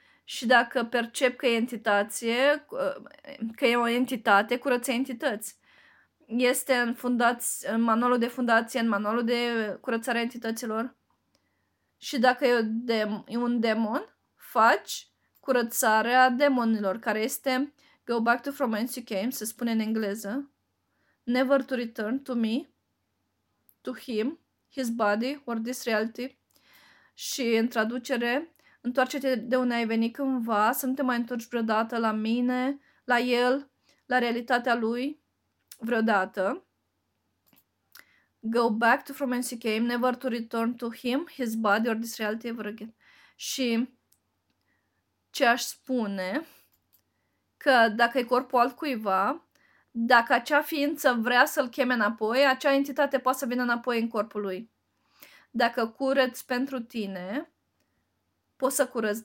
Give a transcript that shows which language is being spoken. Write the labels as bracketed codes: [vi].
[ro] Și dacă percep că e entitație, că e o entitate, curăță entități. Este în manualul de fundație, în manualul de curățare a entităților. Și dacă e un demon, faci curățarea demonilor, care este [en] go back to from whence you came, [ro] se spune în engleză. [en] Never to return to me, to him, his body, or this reality. [ro] Și în traducere, întoarce-te de unde ai venit cândva, să nu te mai întorci vreodată la mine, la el, la realitatea lui, vreodată. [en] Go back to from whence you came, never to return to him, his body, or this reality ever again. [ro] Și ce aș spune, că dacă e corpul altcuiva, dacă acea ființă vrea să-l cheme înapoi, acea entitate poate să vină înapoi în corpul lui. Dacă cureți pentru tine, poți să curăți.